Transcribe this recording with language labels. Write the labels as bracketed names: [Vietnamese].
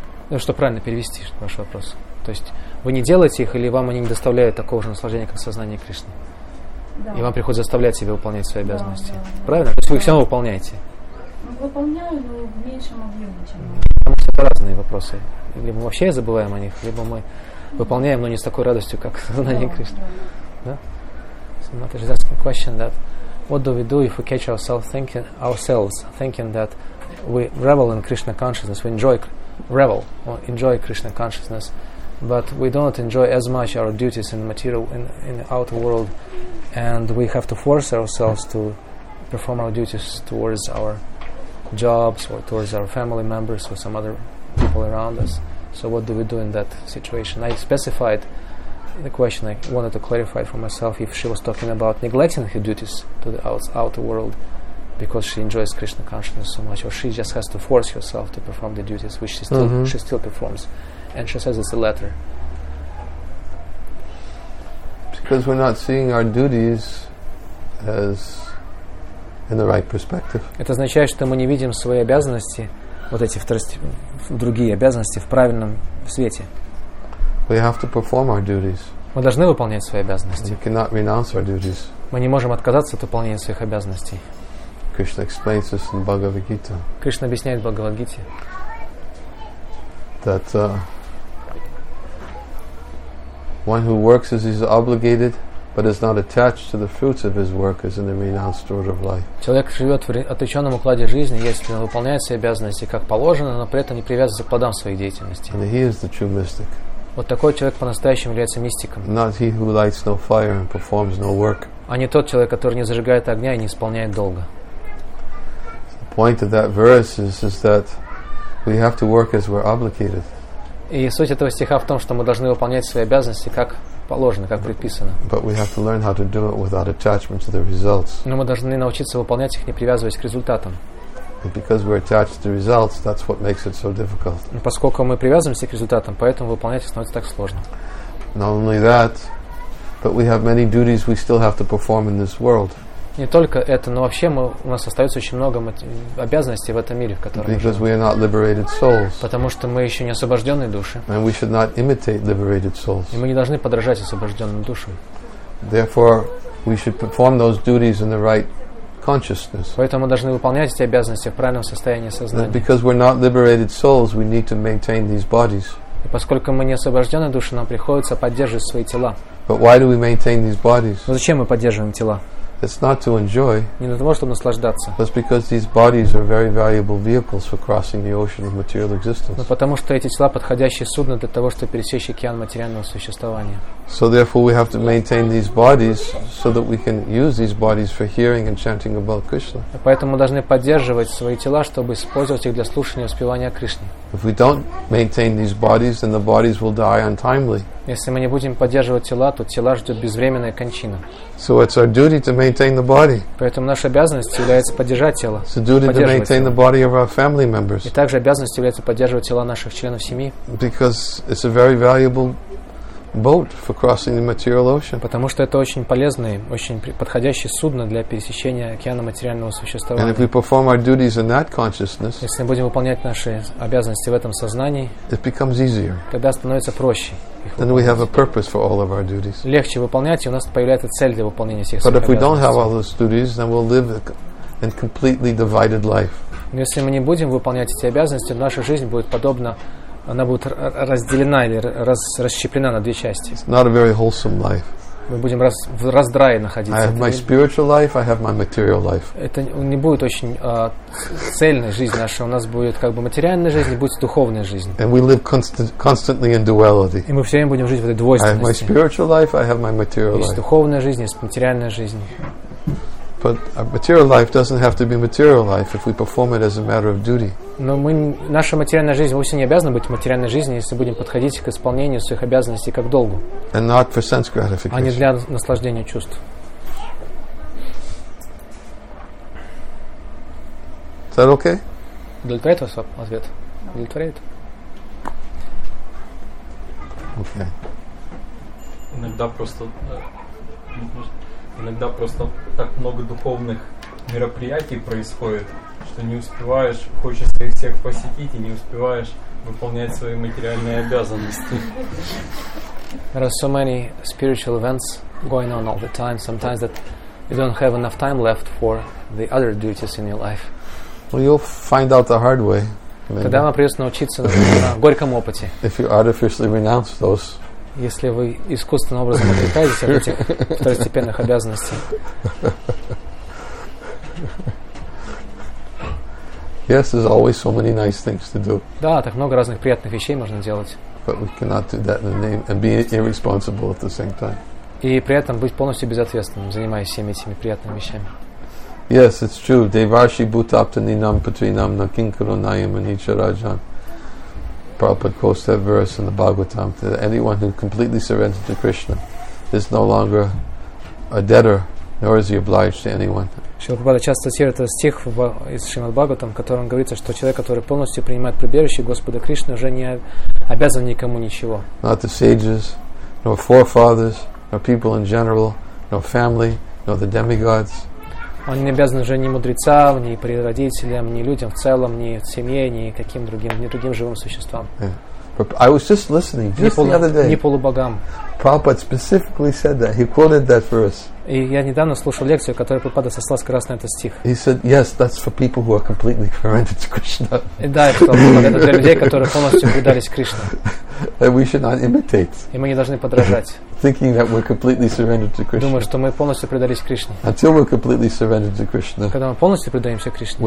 [Russian] Ну, что правильно перевести ваш вопрос? То есть вы не делаете их, или вам они не доставляют такого же наслаждения, как сознание Кришны? Да. И вам приходится заставлять себя выполнять свои обязанности. Да, да, правильно? Да. То есть вы их все равно выполняете? Ну, выполняю, но в меньшем объеме, чем я. Потому что это разные вопросы. Либо мы вообще забываем о них, либо мы выполняем, но не с такой радостью, как сознание Кришны. Да? [English] So Mata is asking question that what do we do if we catch ourselves thinking, that we revel in Krishna consciousness, we enjoy revel or enjoy Krishna consciousness, but we don't enjoy as much our duties in the material, in the outer world, and we have to force ourselves to perform our duties towards our jobs or towards our family members or some other people around us. So what do we do in that situation? I specified the question, I wanted to clarify for myself if she was talking about neglecting her duties to the outer world because she enjoys Krishna consciousness so much, or she just has to force herself to perform the duties which she still she still performs, and she says it's the latter. Because we're not seeing our duties as in the right perspective. [Russian] Это означает, что мы не видим свои обязанности, вот эти другие обязанности в правильном свете. [English] We have to perform our duties. [Russian] Мы должны выполнять свои обязанности. [English] We cannot renounce our duties. [Russian] Мы не можем отказаться от выполнения своих обязанностей. [English] Krishna explains this in Bhagavad Gita. [Russian] Кришна объясняет в Бхагавад Гите. [English] That one who works as he's obligated, but is not attached to the fruits of his work, is in the renounced order of life. [Russian] Человек живет в отреченном укладе жизни, если он выполняет все обязанности как положено, но при этом не привязывается к плодам своей деятельности. [English] And he is the true mystic. [Russian] Вот такой человек по-настоящему является мистиком. [English] Not he who lights no fire and performs no work. [Russian] А не тот человек, который не зажигает огня и не исполняет долга. [English] Point of that verse is that we have to work as we're obligated. [Russian] И суть этого стиха в том, что мы должны выполнять свои обязанности как положено, как предписано. [English] But we have to learn how to do it without attachment to the results. [Russian] Но мы должны научиться выполнять их, не привязываясь к результатам. [English] And because we're attached to the results, that's what makes it so difficult. [Russian] Но поскольку мы привязываемся к результатам, поэтому выполнять их становится так сложно. [English] Not only that, but we have many duties we still have to perform in this world. [Russian] Не только это, но вообще мы, у нас остается очень много обязанностей в этом мире, в котором мы живем. [English] We are not liberated souls. [Russian] Потому что мы еще не освобожденные души. [English] And we should not imitate liberated souls. [Russian] И мы не должны подражать освобожденным душам. [English] Therefore, we should perform those duties in the right consciousness. [Russian] Поэтому мы должны выполнять эти обязанности в правильном состоянии сознания. [English] And because we're not liberated souls, we need to maintain these bodies. [Russian] И поскольку мы не освобожденные души, нам приходится поддерживать свои тела. [English] But why do we maintain these bodies? [Russian] Но зачем мы поддерживаем тела? [English] It's not to enjoy. [Russian] Не для того, чтобы наслаждаться. [English] That's because these bodies are very valuable vehicles for crossing the ocean of material existence. [Russian] Но потому что эти тела подходящие судно для того, чтобы пересечь океан материального существования. [English] So therefore, we have to maintain these bodies so that we can use these bodies for hearing and chanting about Krishna. [Russian] Поэтому мы должны поддерживать свои тела, чтобы использовать их для слушания и воспевания Кришны. [English] If we don't maintain these bodies, then the bodies will die untimely. [Russian] Если мы не будем поддерживать тела, то тела ждет безвременная кончина. [English] So it's our duty to maintain the body. [Russian] Поэтому наша обязанность является поддержать тело. [English] It's a duty to maintain the body of our family members. [Russian] И также обязанность является поддерживать тела наших членов семьи. [English] Because it's a very valuable boat for crossing the material ocean. [Russian] Потому что это очень полезное, очень подходящее судно для пересечения океана материального существования. [English] And if we perform our duties in that consciousness, [Russian] если мы будем выполнять наши обязанности в этом сознании, [English] it becomes easier. [Russian] Тогда становится проще. [English] Then we have a purpose for all of our duties. [Russian] Легче выполнять, и у нас появляется цель для выполнения всех обязанностей. [English] But if we don't have all those duties, then we'll live a completely divided life. [Russian] Но если мы не будем выполнять эти обязанности, наша жизнь будет подобна, она будет разделена или расщеплена на две части. [English] It's not a very wholesome life. [Russian] Мы будем в раздрае находиться. [English] I have my spiritual life, I have my material life. [Russian] Это не будет очень цельная жизнь наша. У нас будет как бы материальная жизнь, и будет духовная жизнь. [English] And we live constantly in duality. [Russian] И мы все время будем жить в этой двойственности. [English] I have my spiritual life, I have my material life. [Russian] Есть духовная жизнь, есть материальная жизнь. [English] But our material life doesn't have to be material life if we perform it as a matter of duty. [Russian] Но мы, наша материальная жизнь вовсе не обязана быть материальной жизнью, если будем подходить к исполнению своих обязанностей как долгу. [English] And not for sense gratification. [Russian] А не для наслаждения чувств. [English] Is that okay? [Russian] Удовлетворяет вас ответ? Удовлетворяет? [English] Okay. [Russian] Иногда просто так много духовных мероприятий происходит, что не успеваешь, хочется их всех посетить, и не успеваешь выполнять свои материальные обязанности. [English] There are so many spiritual events going on all the time, sometimes that you don't have enough time left for the other duties in your life. Well, you'll find out the hard way. Maybe. [Russian] Тогда вам придется научиться на горьком опыте. [English] If you artificially renounce those. [Russian] Если вы искусственным образом отрекаетесь от этих второстепенных обязанностей. [English] Yes, there's always so many nice things to do. [Russian] Да, так много разных приятных вещей можно делать. [English] But we cannot do that in the name and be irresponsible at the same time. [Russian] И при этом быть полностью безответственным, занимаясь всеми этими приятными вещами. [English] Yes, it's true. [Sanskrit] Devarshi bhutapta ninam patrinam na kinkaro nayam anicha rajan. [English] Prabhupada quotes that verse in the Bhagavatam, that anyone who completely surrendered to Krishna is no longer a debtor, nor is he obliged to anyone. [Russian] Шрила Прабхупада часто цитирует этот стих из Шримад Бхагаватам, в котором говорится, что человек, который полностью принимает прибежище Господа Кришны, уже не обязан никому ничего. [English] Not the sages, nor forefathers, nor people in general, nor family, nor the demigods. [Russian] Он не обязан уже ни мудрецам, ни прародителям, ни людям в целом, ни семье, ни каким другим, ни другим живым существам. [English] Yeah. I was just listening just the other day. [Russian] Ни полубогам. [English] Prabhupada specifically said that. He quoted that verse. [Russian] И я недавно слушал лекцию, в которой Прабхупада сослался как раз на этот стих. [English] He said, yes, that's for people who are completely surrendered to Krishna. [Russian] И да, это для людей, которые полностью предались Кришне. [English] And we should not imitate. [Russian] И мы не должны подражать. [English] Thinking that we're completely surrendered to Krishna. [Russian] Думаю, что мы полностью предались Кришне. [English] Until we're completely surrendered to Krishna. [Russian] Когда мы полностью предаемся Кришне.